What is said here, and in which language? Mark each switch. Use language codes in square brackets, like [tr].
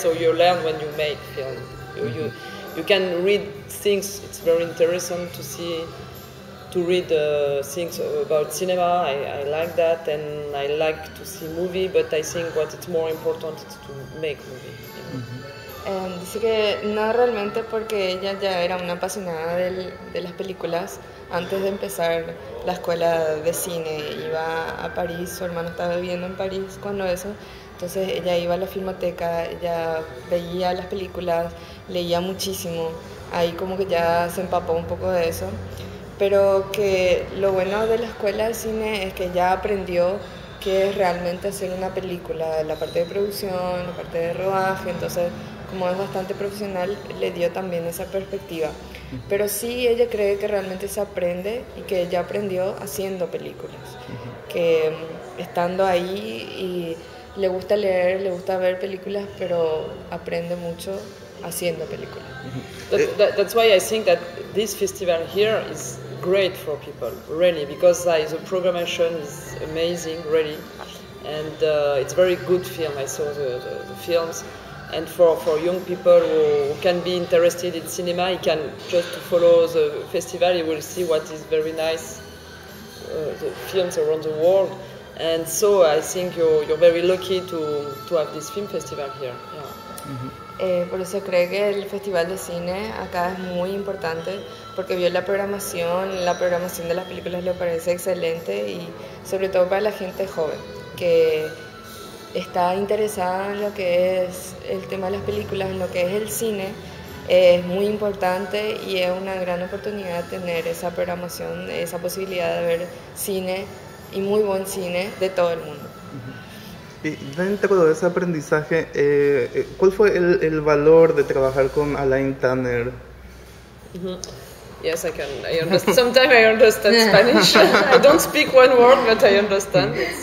[en] So you learn when you make film. You can read things. It's very interesting to see to read things about cinema. I like that, and I like to see movie, but I think what it's more important is to make movie. You know? Mm-hmm. [es] Dice que no realmente porque ella ya era una apasionada de las películas antes de empezar la escuela de cine. Iba a París, su hermano estaba viviendo en París cuando eso. Entonces ella iba a la filmoteca, ella veía las películas, leía muchísimo. Ahí como que ya se empapó un poco de eso. Pero que lo bueno de la escuela de cine es que ya aprendió qué es realmente hacer una película, la parte de producción, la parte de rodaje. Entonces, como es bastante profesional, le dio también esa perspectiva. Pero sí, ella cree que realmente se aprende y que ya aprendió haciendo películas. Que estando ahí y le gusta leer, le gusta ver películas, pero aprende mucho haciendo películas. [en] That's why I think that this festival here is great for people, really, because the programmation is amazing, really, and it's very good film. I saw the films, and for young people who can be interested in cinema, you can just follow the festival. You will see what is very nice, the films around the world. And so I think you're very lucky to have this film festival here. Yeah. Mm-hmm. [es] Por eso cree que el festival de cine acá es muy importante, porque vio la programación de las películas le parece excelente, y sobre todo para la gente joven que está interesada en lo que es el tema de las películas, en lo que es el cine, es muy importante y es una gran oportunidad tener esa programación, esa posibilidad de ver cine y muy buen cine de todo el mundo. Y dentro de ese aprendizaje, ¿cuál fue el valor de trabajar con Alain Tanner? [en] Mm-hmm. Yes, I can. I understand. Sometimes I understand Spanish. I don't speak one word, but I understand.